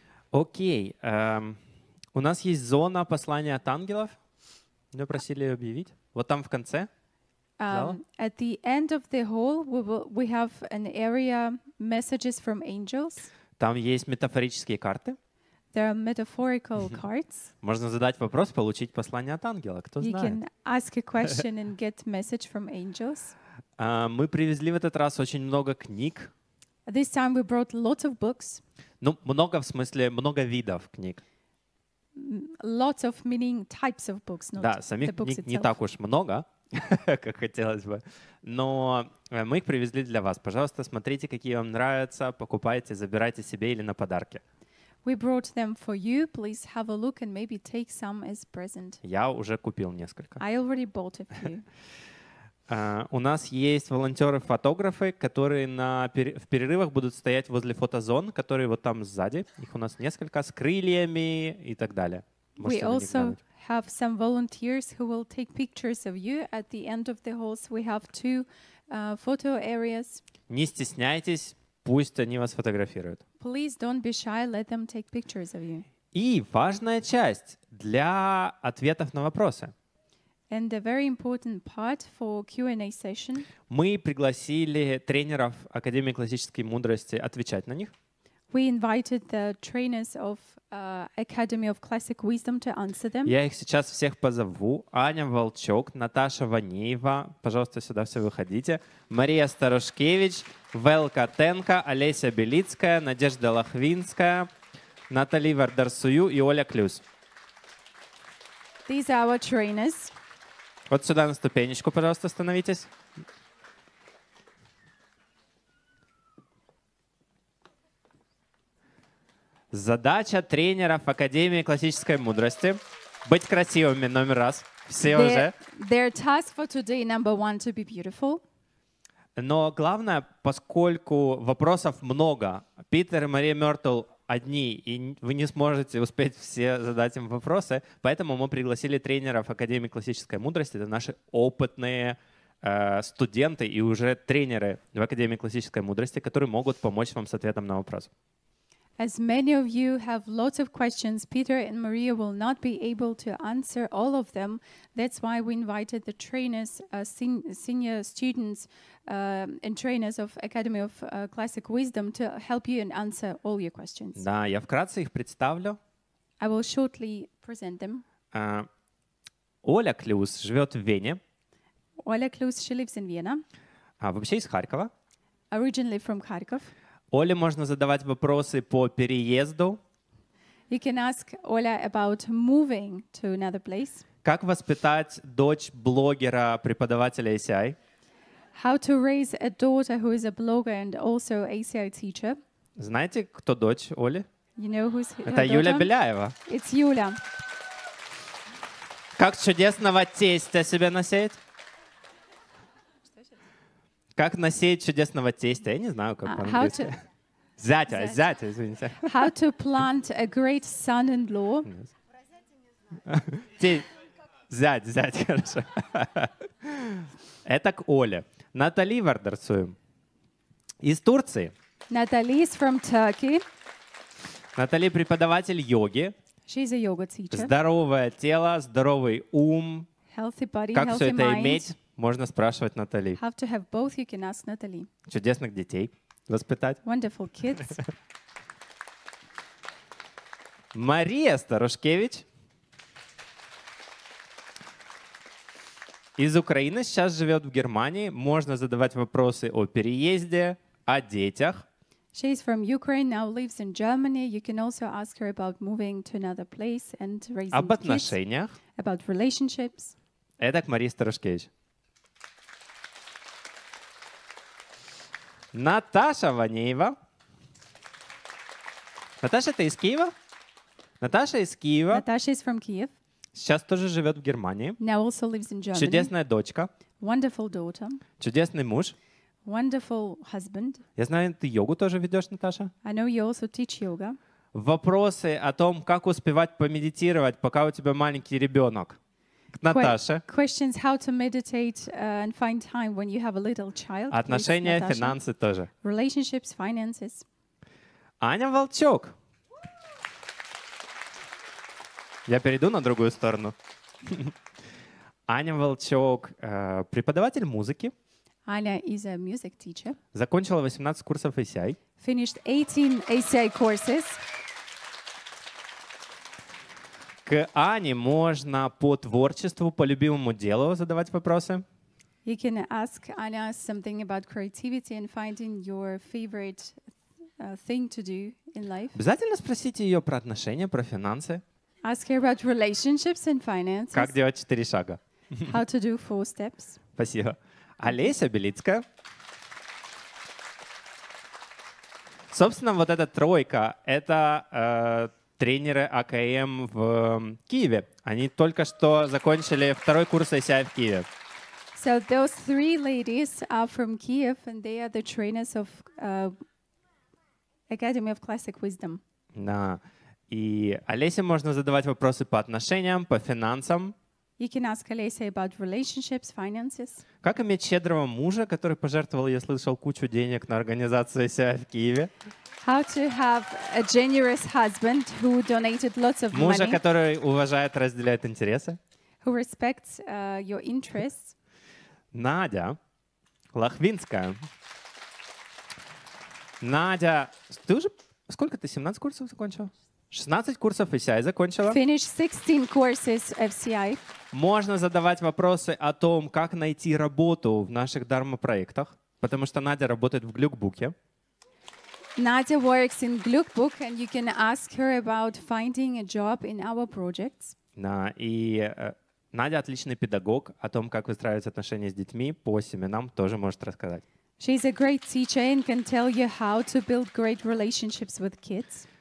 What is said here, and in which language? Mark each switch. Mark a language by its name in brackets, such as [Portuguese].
[Russian] Окей. У нас есть зона послания от ангелов. Мы просили ее объявить. Вот там в конце. [English] At the end of the hall, we have an area messages from angels. [Russian] Там есть метафорические карты. [English] There are metaphorical cards. [Russian] Можно задать вопрос, получить послание от ангела. Кто [English] you [Russian] знает? [English] You can ask a question and get message from angels. [Russian] Мы привезли в этот раз очень много книг. [English] This time we brought lots of books. [Russian] Ну, много в смысле, много видов книг. [English] Lots of meaning types of books, not [Russian] да, самих [English] the [Russian] книг [English] books [Russian] не так уж много, как хотелось бы. Но мы их привезли для вас. Пожалуйста, смотрите, какие вам нравятся, покупайте, забирайте себе или на подарки. [English] We brought them for you. Please have a look and maybe take some as present. [Russian] Я уже купил несколько. [English] I already bought a few. [Russian] У нас есть волонтеры-фотографы, которые в перерывах будут стоять возле фотозон, которые вот там сзади. Их у нас несколько с крыльями и так далее. [English] We also have some volunteers who will take pictures of you at the end of the halls. We have two photo areas. [Russian] Не стесняйтесь, пусть они вас фотографируют. [English] Please don't be shy, let them take pictures of you. [Russian] И важная часть для ответов на вопросы. [English] And a very important part for Q&A session. [Russian] Мы пригласили тренеров Академии классической мудрости отвечать на них. [English] We invited the trainers of Academy of Classic Wisdom to answer them. [Russian] Я их сейчас всех позову. Аня Волчок, Наташа Ванеева, пожалуйста, сюда все выходите. Мария Старошкевич, Велка Тенко, Олеся Белицкая, Надежда Лохвинская, Натали Вардарсую и Оля Клюс. [English] These are our trainers. [Russian] Вот сюда на ступенечку, пожалуйста, становитесь. Задача тренеров Академии классической мудрости — быть красивыми, номер раз. Все [English] their, [Russian] уже. [English] Their task for today, number one, to be beautiful. [Russian] Но главное, поскольку вопросов много, Питер и Мария Мёртл одни, и вы не сможете успеть все задать им вопросы, поэтому мы пригласили тренеров Академии классической мудрости. Это наши опытные студенты и уже тренеры в Академии классической мудрости, которые могут помочь вам с ответом на вопрос. [English] As many of you have lots of questions, Peter and Maria will not be able to answer all of them. That's why we invited the trainers, senior students and trainers of Academy of Classic Wisdom to help you and answer all your questions. [Russian] Да, я вкратце их представлю. [English] I will shortly present them. [Russian] Оля Клюс живет в Вене. [English] Оля Клюс, she lives in Vienna. [Russian] А вообще из Харькова. [English] Originally from Kharkov. [Russian] Оле можно задавать вопросы по переезду. [English] You can ask Оля about moving to another place. [Russian] Как воспитать дочь блогера, преподавателя ACI? [English] How to raise a daughter who is a blogger and also ACI teacher? [Russian] Знаете, кто дочь Оли? [English] You know who's her daughter? [Russian] Это Юля Беляева. [English] It's Yulia. [Russian] Как чудесного тестя себе насеять? Как насеять чудесного тестя? Я не знаю, как по-английски. Зятя, извините. [English] How to plant a great son-in-law? [Russian] Зять, хорошо. Это к Оле. Натали Вардарсую. Из Турции. [English] Natali is from Turkey. [Russian] Натали преподаватель йоги. [English] She's a yoga teacher. [Russian] Здоровое тело, здоровый ум. [English] Healthy body, [Russian] как [English] healthy [Russian] все это [English] mind. [Russian] Иметь? Можно спрашивать Натали. [English] Have to have both, you can ask Natali. [Russian] Чудесных детей воспитать. [English] Wonderful kids. [Russian] Мария Старошкевич. Из Украины, сейчас живет в Германии. Можно задавать вопросы о переезде, о детях. [English] She is from Ukraine, now lives in Germany. You can also ask her about moving to another place and raising [Russian] об отношениях. [English] Kids, about relationships. [Russian] Это к Марии Старошкевич. Наташа Ванеева. Наташа, ты из Киева? Наташа из Киева. [English] Наташа is from Kiev. [Russian] Сейчас тоже живет в Германии. [English] Now also lives in Germany. [Russian] Чудесная дочка. [English] Wonderful daughter. [Russian] Чудесный муж. [English] Wonderful husband. [Russian] Я знаю, ты йогу тоже ведешь, Наташа. [English] I know you also teach yoga. [Russian] Вопросы о том, как успевать помедитировать, пока у тебя маленький ребенок. Наташа. [English] Questions how to meditate and find time when you have a little child. [Russian] Отношения, [English] please, [Russian] финансы тоже. [English] Relationships, finances. [Russian] Аня Волчок. Я перейду на другую сторону. Аня Волчок, преподаватель музыки. [English] Аня is a music teacher. [Russian] Закончила 18 курсов ACI. [English] Finished 18 ACI courses. [Russian] К Ане можно по творчеству, по любимому делу задавать вопросы. [English] You can ask Anna something about creativity and finding your favorite thing to do in life. [Russian] Обязательно спросите ее про отношения, про финансы. [English] Ask her about relationships and finances. [Russian] Как делать 4 шага. [English] How to do 4 steps. [Russian] Спасибо. Олеся Белицкая. Собственно, вот эта тройка, это... тренеры АКМ в Киеве. Они только что закончили второй курс ACI в Киеве. [English] So those three ladies are from Kiev and they are the trainers of Academy of Classic Wisdom. [Russian] Да. И Олесе можно задавать вопросы по отношениям, по финансам. [English] You can ask Олесе about relationships, finances. [Russian] Как иметь щедрого мужа, который пожертвовал, я слышал, кучу денег на организацию себя в Киеве. [English] How to have a generous husband who donated lots of [Russian] мужа, [English] money. [Russian] Который уважает, разделяет интересы. [English] Who respects your interests. [Russian] Надя Лохвинская. Надя, ты уже сколько ты, 17 курсов закончила? 16 курсов FCI закончила. [English] Finished 16 courses FCI. [Russian] Можно задавать вопросы о том, как найти работу в наших дармопроектах, потому что Надя работает в Глюкбуке. [English] Надя works in Glückbook, and you can ask her about finding a job in our projects. [Russian] Да, и Надя отличный педагог, о том, как выстраивать отношения с детьми по семенам, тоже может рассказать. [English] She's a great teacher and can tell you how to build great relationships with kids.